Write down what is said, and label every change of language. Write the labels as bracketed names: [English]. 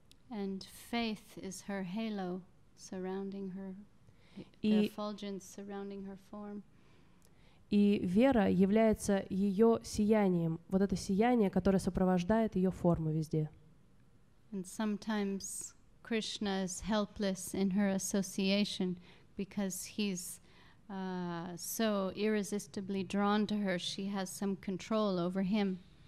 [English] And faith is her halo surrounding her, the effulgence surrounding her form. [Russian] И вера является ее сиянием, вот это сияние, которое сопровождает ее форму везде. [English] And sometimes Krishna is helpless in her association, because he's so irresistibly drawn to her, she has some control over him.